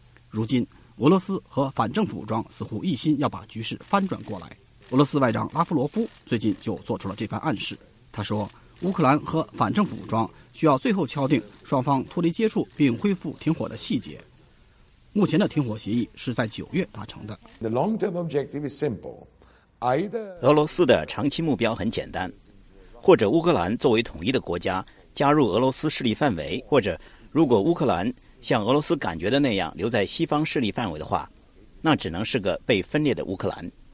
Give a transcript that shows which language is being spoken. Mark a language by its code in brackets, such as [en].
[zh] 如今俄罗斯和反政府武装似乎一心要把局势翻转过来。俄罗斯外长拉夫罗夫最近就做出了这番暗示，他说乌克兰和反政府武装需要最后敲定双方脱离接触并恢复停火的细节。目前的停火协议是在九月达成的。 [en] The long-term objective is simple. Either [zh] 俄罗斯的长期目标很简单，或者乌克兰作为统一的国家加入俄罗斯势力范围，或者如果乌克兰像俄罗斯感觉的那样留在西方势力范围的话，那只能是个被分裂的乌克兰。